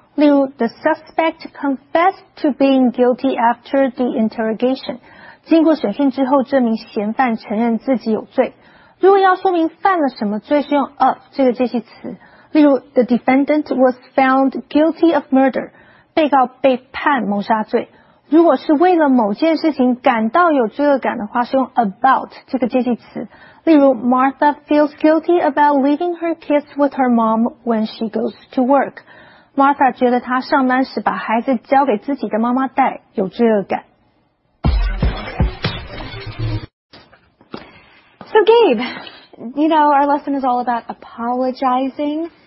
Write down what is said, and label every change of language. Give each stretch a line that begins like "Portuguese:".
Chinese: 例如
English: ,the suspect confessed to being guilty after the interrogation.
Chinese: 经过审讯之后证明嫌犯承认自己有罪。如果要说明犯了什么罪是用 of 这个介系词。例如
English: ,the defendant was found guilty of murder.
Chinese: 被告被判谋杀罪。如果是为了某件事情感到有罪恶感的话是用 about 这个介系词。例如
English: ,Martha feels guilty about leaving her kids with her mom when she goes to work.
Chinese: Martha 觉得她上班时把孩子交给自己的妈妈带有罪恶感。
English: So Gabe, you know, our lesson is all about apologizing.